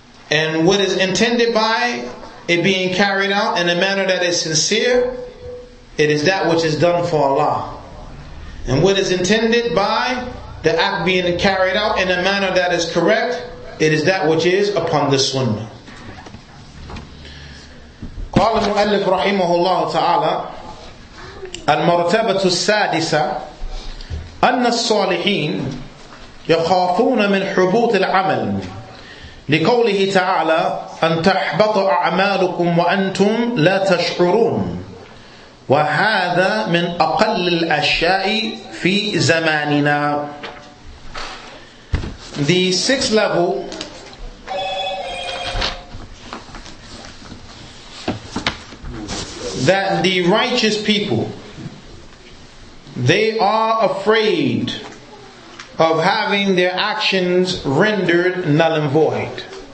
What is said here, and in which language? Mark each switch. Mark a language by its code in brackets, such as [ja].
[en] And what is intended by it being carried out in a manner that is sincere, it is that which is done for Allah. And what is intended by the act being carried out in a manner that is correct, it is that which is upon the sunnah. [ar] قال المؤلف رحمه الله تعالى المرتبة السادسة أن الصالحين يخافون من حبوط العمل لقوله تعالى أن تحبط أعمالكم وأنتم لا تشعرون وهذا من أقل الأشياء في زماننا. [en] The sixth level that the righteous people, they are afraid of having their actions rendered null and void.